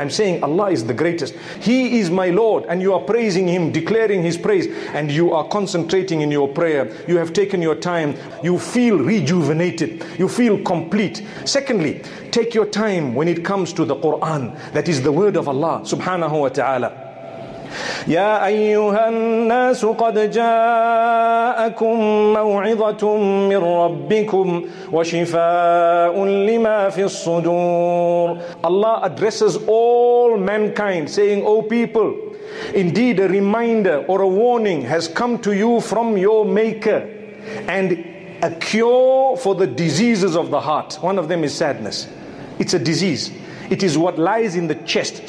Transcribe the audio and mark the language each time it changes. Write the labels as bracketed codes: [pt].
[en] I'm saying Allah is the greatest. He is my Lord. And you are praising Him, declaring His praise. And you are concentrating in your prayer. You have taken your time. You feel rejuvenated. You feel complete. Secondly, take your time when it comes to the Quran. That is the word of Allah subhanahu wa ta'ala. [ar] يا أيها الناس قد جاءكم موعظة من ربكم وشفاء لما في الصدور. [en] Allah addresses all mankind saying, O people, indeed a reminder or a warning has come to you from your Maker, and a cure for the diseases of the heart. One of them is sadness. It's a disease. It is what lies in the chest.